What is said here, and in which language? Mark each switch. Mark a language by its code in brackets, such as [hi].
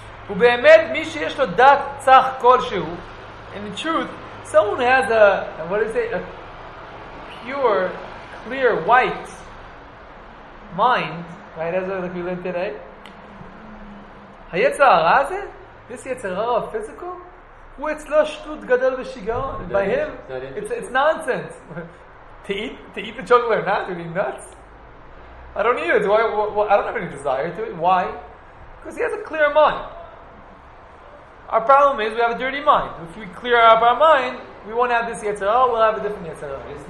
[he] ובאמת מי שיש לו דת צח כלשהו, [en] in truth, someone has a pure, clear, white mind, right, as like we learned today. [he] היצר הרע הזה? [en] This יצר הרע of physical? [he] הוא אצלו שטות גדל ושיגעון. [en] By him, it's nonsense. to eat the chocolate or not, you're nuts. I don't need it. I don't have any desire to it. Why? Because he has a clear mind. Our problem is we have a dirty mind. If we clear up our mind, we won't have this yetzer hara. We'll have a different yetzer hara.